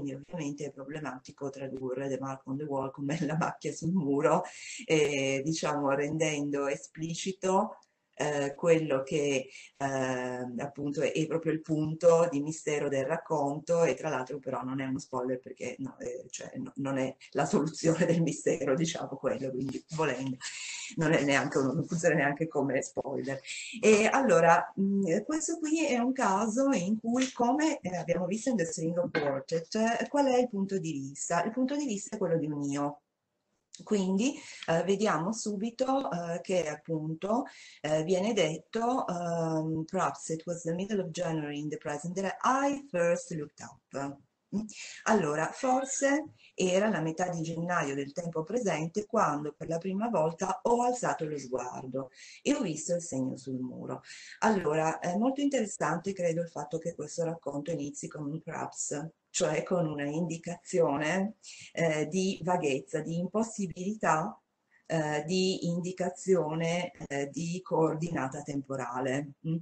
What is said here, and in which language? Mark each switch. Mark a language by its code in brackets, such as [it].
[it] Quindi ovviamente è problematico tradurre The Mark on the Wall come la macchia sul muro, diciamo, rendendo esplicito quello che appunto è proprio il punto di mistero del racconto, e tra l'altro però non è uno spoiler perché no, cioè, no, non è la soluzione del mistero, diciamo quello, quindi volendo non è neanche, non funziona neanche come spoiler. E allora questo qui è un caso in cui, come abbiamo visto in The String of Quartet, qual è il punto di vista? Il punto di vista è quello di un io. [en] Quindi vediamo subito che appunto viene detto: Perhaps it was the middle of January in the present that I first looked up. [it] Allora, forse era la metà di gennaio del tempo presente quando per la prima volta ho alzato lo sguardo e ho visto il segno sul muro. Allora, è molto interessante, credo, il fatto che questo racconto inizi con un perhaps, cioè con una indicazione di vaghezza, di impossibilità di indicazione di coordinata temporale.